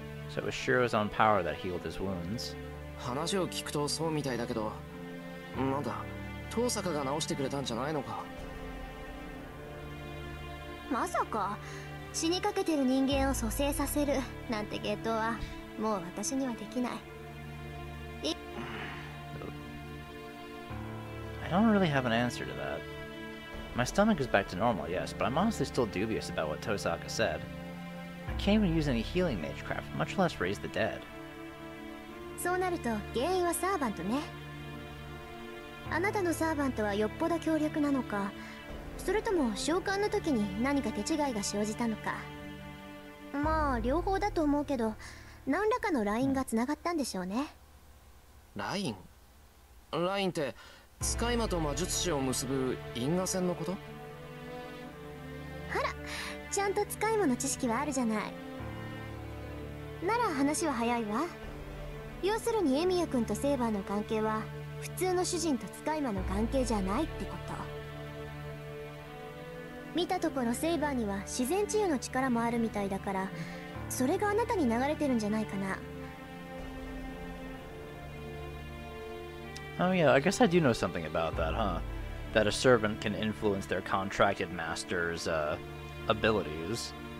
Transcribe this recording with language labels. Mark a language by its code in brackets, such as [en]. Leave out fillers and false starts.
[en] So it was Shiro's own power that healed his wounds. [ja] 話を聞くとそうみたいだけど、まだ遠坂が直してくれたんじゃないのか。まさか死にかけてる人間を蘇生させるなんて下等はもう私にはできない。 [en] I don't really have an answer to that. My stomach is back to normal, yes, but I'm honestly still dubious about what Tosaka said. I can't even use any healing magecraft, much less raise the dead. [ja] そうなると原因はサーヴァントね。あなたのサーヴァントはよっぽど強力なのか、それとも召喚の時に何か手違いが生じたのか。まあ両方だと思うけど、何らかのラインがつながったんでしょうね。ライン？ラインって使い魔と魔術師を結ぶ因果線のこと？あら、ちゃんと使い魔の知識はあるじゃない。なら話は早いわ。要するにエミヤ君とセーバーの関係は普通の主人と使い魔の関係じゃないってこと。見たところセーバーには自然治癒の力もあるみたいだから、それがあなたに流れてるんじゃないかな。 [en] Oh yeah, I guess I do know something about that, huh? That a servant can influence their contracted master's, abilities.